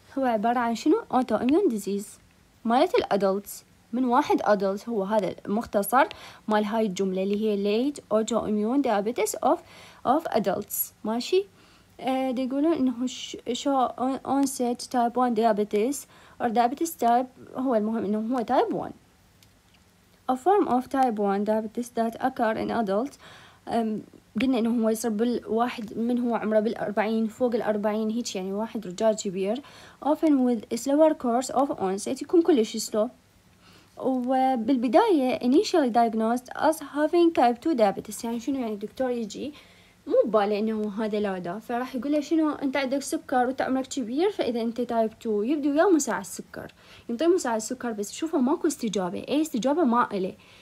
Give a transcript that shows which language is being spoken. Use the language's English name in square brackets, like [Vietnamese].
[Arabic] هو عبارة عن شنو؟ اوتو اميون ديزيز مالت الادلت، من واحد ادلت. هو هذا مختصر مال هاي الجملة اللي هي [English] Late autoimmune diabetes of adults. [Arabic] ماشي. دي يقولون انه شو [English] Honest type 1 diabetes or diabetes type. [Arabic] هو المهم انه هو تايب 1. [English] A form of type 1 diabetes that occur in adults. [Arabic] قلنا انه هو يصير بالواحد من هو عمره بالاربعين فوق الاربعين هيك، يعني واحد رجال كبير. [English] Often with a slower course of onset. [Arabic] يكون كلش سلو. [English] وبالبداية initially diagnosed as having type 2 diabetes. [Arabic] يعني شنو؟ يعني دكتور يجي مو بباله انه هذا لادا، فراح يقول له شنو؟ انت عندك سكر وانت عمرك كبير، فاذا انت تايب 2 يبدو يا مساعد السكر، ينطي مساعد السكر بس شوفه ماكو استجابه، اي استجابه ما له.